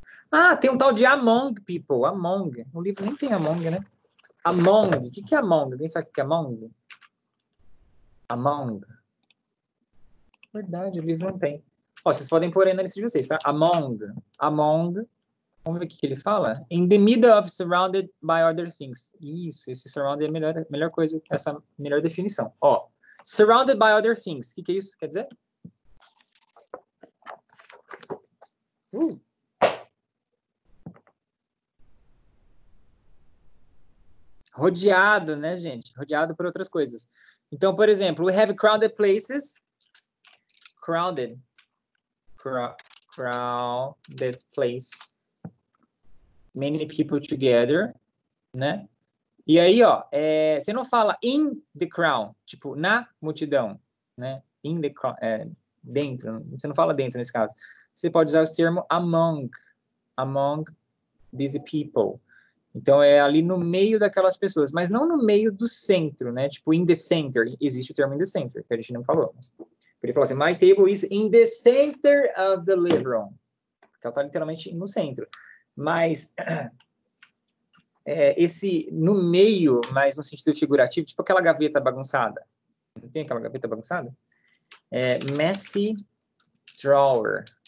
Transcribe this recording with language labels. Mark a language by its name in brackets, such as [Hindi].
[Portuguese] Ah, tem um tal de Among People. Among. O livro nem tem Among, né? Among. O que é Among? Alguém sabe o que é Among? Among. Verdade, o livro não tem. Ó, vocês podem pôr aí na lista de vocês, tá? Among. Among. Vamos ver o que ele fala. [English] In the middle of surrounded by other things. [Portuguese] Isso, esse surrounded é a melhor coisa, essa melhor definição. Ó, surrounded by other things. O que é isso? Quer dizer? Rodeado, né, gente? Rodeado por outras coisas. Então, por exemplo, [English] we have crowded places. [Portuguese] Crowded. [English] Crowded place. Many people together, [Portuguese] né? E aí, ó, você não fala [English] in the crowd, [Portuguese] tipo, na multidão, né? [English] In the crowd, [Portuguese] dentro. Você não fala dentro nesse caso. Você pode usar o termo among. [English] Among these people. [Portuguese] Então, é ali no meio daquelas pessoas, mas não no meio do centro, né? Tipo, [English] in the center. [Portuguese] Existe o termo in the center, que a gente não falou. Mas ele falou assim, [English] my table is in the center of the living room. [Portuguese] Porque ela tá literalmente no centro. Mas esse no meio, mas no sentido figurativo, tipo aquela gaveta bagunçada. Não tem aquela gaveta bagunçada? É [English] messy drawer.